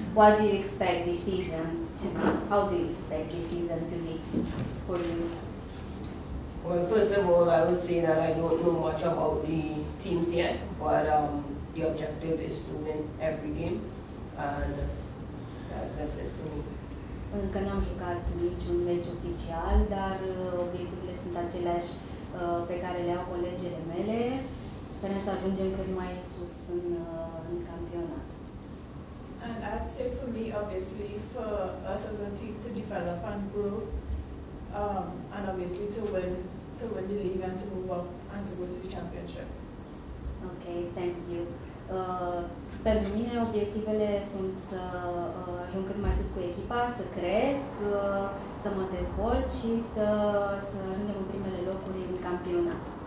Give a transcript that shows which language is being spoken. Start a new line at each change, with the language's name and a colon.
English: What do you expect this season to be? How do you expect this season to be for you? Well, first of all, I would say that I don't know much about the teams yet, but the objective is to win every game, and that's it for me.
Romanian: Încă n-am jucat niciun meci oficial, dar obiecturile sunt aceleași pe care le au colegele mele. Sperăm să ajungem cât mai sus în campionat.
English: And I'd say for me, obviously, for us as a team to develop and grow, and obviously to win the league and to move up and to go to the championship. Okay, thank you.
Romanian: Pentru mine, obiectivele sunt să ajung cât mai sus cu echipa, să cresc, să mă dezvolt și să ajungem în primele locuri în campionat.